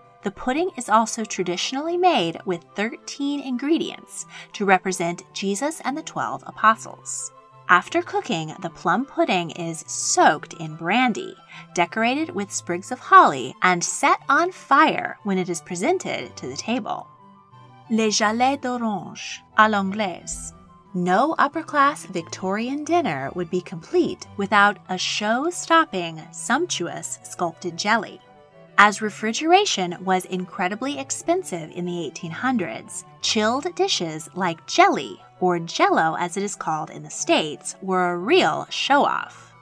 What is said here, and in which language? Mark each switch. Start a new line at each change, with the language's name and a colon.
English: The pudding is also traditionally made with 13 ingredients to represent Jesus and the 12 apostles. After cooking, the plum pudding is soaked in brandy, decorated with sprigs of holly, and set on fire when it is presented to the table.
French: Les jalets d'orange à l'anglaise.
English: No upper-class Victorian dinner would be complete without a show-stopping, sumptuous sculpted jelly. As refrigeration was incredibly expensive in the 1800s, chilled dishes like jelly, or jello as it is called in the States, were a real show-off.